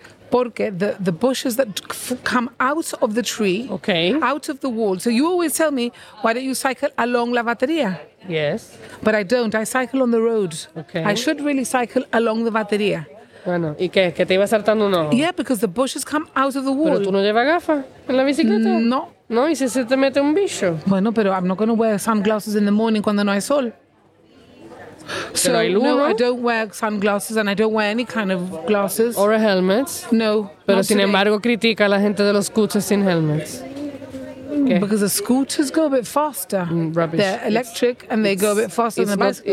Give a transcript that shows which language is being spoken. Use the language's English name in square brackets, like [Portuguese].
[Spanish] Porque [English] the bushes that come out of the tree, okay. out of the wall. So you always tell me, why don't you cycle along La Batería? Yes. But I don't. I cycle on the road. Okay. I should really cycle along the Batería. [Spanish] Bueno, ¿y qué? ¿Que te iba saltando un ojo? [English] Yeah, because the bushes come out of the wall. [Spanish] ¿Pero tú no llevas gafas en la bicicleta? [English] No. [Spanish] No, ¿y si se te mete un bicho? Bueno, pero [English] I'm not going to wear sunglasses in the morning [Spanish] cuando no hay sol. [English] So, no, I don't wear sunglasses and I don't wear any kind of glasses. Or a helmet. No. [Spanish] Pero sin embargo, critica a la gente de los scooters sin helmets. [English] Okay. Because the scooters go a bit faster. Rubbish. They're electric and they go a bit faster than the bicycle.